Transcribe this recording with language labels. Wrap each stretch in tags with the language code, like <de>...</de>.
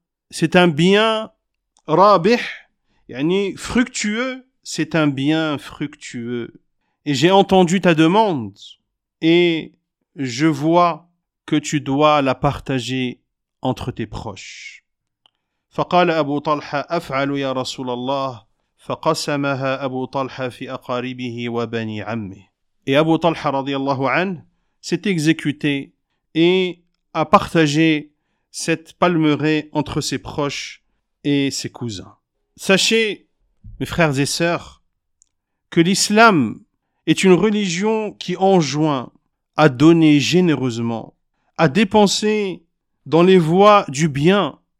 <fr>C'est un bien</fr> <ar>رابح, يعني</ar> <fr>fructueux, c'est un bien fructueux. Et j'ai entendu ta demande et je vois que tu dois la partager entre tes proches.</fr> <ar>فقال أبو طلحة أفعل يا رسول الله فقسمها أبو طلحة في أقاربه وبني عمه.</ar> <fr>Et Abu Talha</fr> <ar>رضي الله عنه</ar> <fr>s'est exécuté et a partagé cette palmeraie entre ses proches et ses cousins. Sachez, mes frères et sœurs, que l'islam est une religion qui enjoint à donner généreusement, à dépenser dans les voies du bien.</fr>